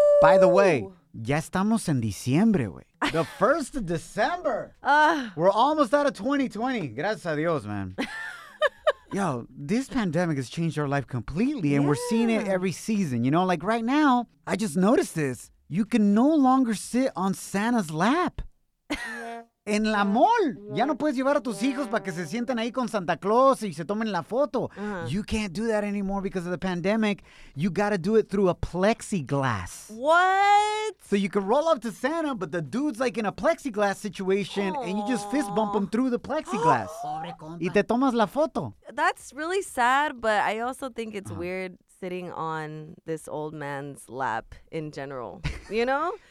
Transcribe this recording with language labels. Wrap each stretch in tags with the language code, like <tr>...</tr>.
<en>By the way,</en> <es>ya estamos en diciembre, güey.</es> <en>The 1st of December. We're almost out of 2020.</en> <es>Gracias a Dios,</es> <en>man. Yo, this pandemic has changed our life completely, and we're seeing it every season. You know, like right now, I just noticed this. You can no longer sit on Santa's lap.</en> <es>En la mall. Ya no puedes llevar a tus hijos para que se sienten ahí con Santa Claus y se tomen la foto. Uh-huh.</es> <en>You can't do that anymore because of the pandemic. You got to do it through a plexiglass. What? So you can roll up to Santa, but the dude's like in a plexiglass situation and you just fist bump him through the plexiglass.</en> <es>Y te tomas la foto.</es> <en>That's really sad, but I also think it's weird sitting on this old man's lap in general, you know?</en>